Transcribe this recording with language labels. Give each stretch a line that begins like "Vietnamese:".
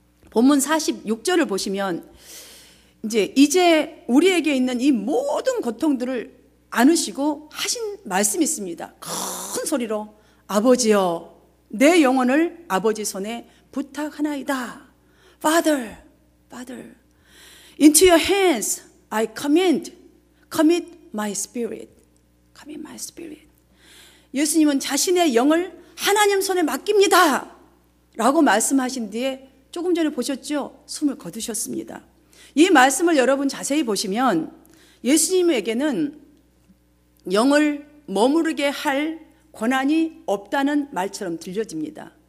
Korean: 본문 46절을 보시면 이제 우리에게 있는 이 모든 고통들을 안으시고 하신 말씀이 있습니다. 큰 소리로 아버지여, 내 영혼을 아버지 손에 부탁하나이다.
English: Father, Father, into your hands I commit my spirit. Come in my spirit.
Korean: 예수님은 자신의 영을 하나님 손에 맡깁니다 라고 말씀하신 뒤에 조금 전에 보셨죠? 숨을 거두셨습니다. 이 말씀을 여러분 자세히 보시면 예수님에게는 영을 머무르게 할 권한이 없다는 말처럼 들려집니다.